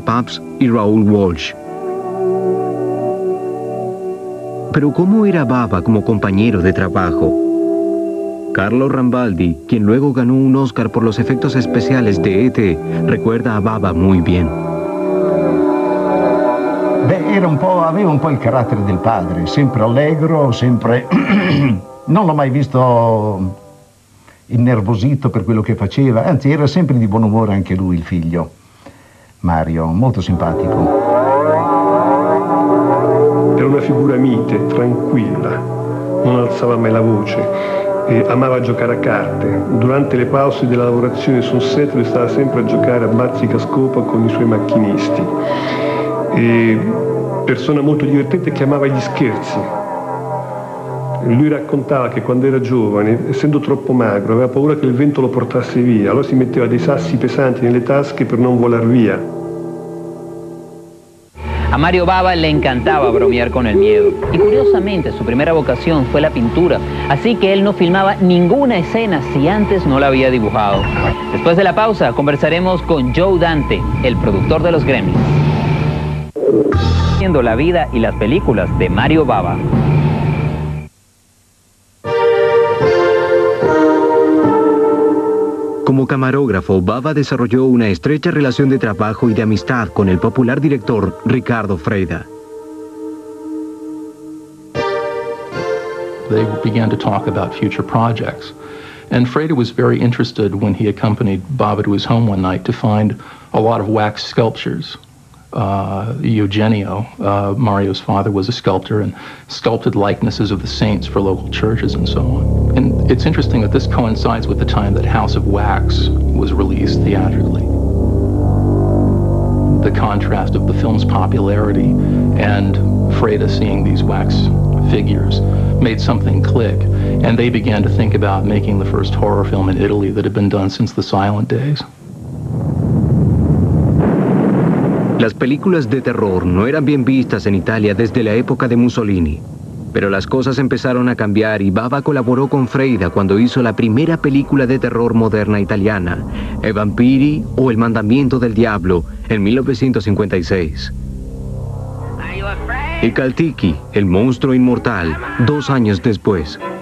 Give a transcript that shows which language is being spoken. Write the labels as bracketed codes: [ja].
[es] Pabst y Raoul Walsh. Pero ¿cómo era Bava como compañero de trabajo? Carlo Rambaldi, quien luego ganó un Oscar por los efectos especiales de E.T., recuerda a Bava muy bien. [it] Aveva un po' il carattere del padre, sempre allegro, sempre... non l'ho mai visto innervosito per quello che faceva, anzi era sempre di buon umore anche lui, il figlio Mario, molto simpatico. Era una figura mite, tranquilla, non alzava mai la voce, e amava giocare a carte. Durante le pause della lavorazione sul set lui stava sempre a giocare a bazzicascopa con i suoi macchinisti. E... persona molto divertente che amava gli scherzi. Lui raccontava che quando era giovane, essendo troppo magro, aveva paura che il vento lo portasse via. Allora si metteva dei sassi pesanti nelle tasche per non volar via. [es] A Mario Bava le encantaba bromear con el miedo. Y curiosamente, su primera vocación fue la pintura, así que él no filmaba ninguna escena si antes no la había dibujado. Después de la pausa, conversaremos con Joe Dante, el productor de los Gremlins. Viendo la vida y las películas de Mario Bava. Como camarógrafo, Bava desarrolló una estrecha relación de trabajo y de amistad con el popular director Ricardo Freyda. [en] They began to talk about future projects, and Freyda was very interested when he accompanied Bava to his home one night to find a lot of wax sculptures. Eugenio, Mario's father, was a sculptor and sculpted likenesses of the saints for local churches and so on. And it's interesting that this coincides with the time that House of Wax was released theatrically. The contrast of the film's popularity and Freyda seeing these wax figures made something click, and they began to think about making the first horror film in Italy that had been done since the silent days. [es] Las películas de terror no eran bien vistas en Italia desde la época de Mussolini. Pero las cosas empezaron a cambiar y Bava colaboró con Freyda cuando hizo la primera película de terror moderna italiana, E Vampiri o El Mandamiento del Diablo, en 1956. Y Caltiki, El Monstruo Inmortal, dos años después.